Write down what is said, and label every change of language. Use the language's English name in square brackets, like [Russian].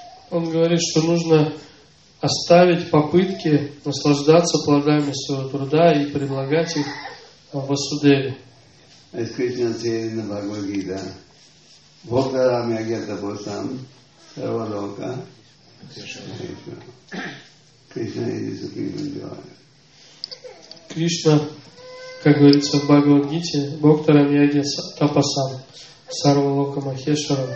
[Russian] он говорит, что нужно оставить попытки наслаждаться плодами своего труда и предлагать их Васудеве. [English] As Krishna says in the Bhagavad Gita, [Sanskrit] Bhoktaram yagyatapasam sarvaloka [English] Krishna is the supreme enjoyer. [Russian] Krishna, как говорится в Бхагавад Гите, [Sanskrit] Бхоктарам ягьятапасам сарвалока махешварам.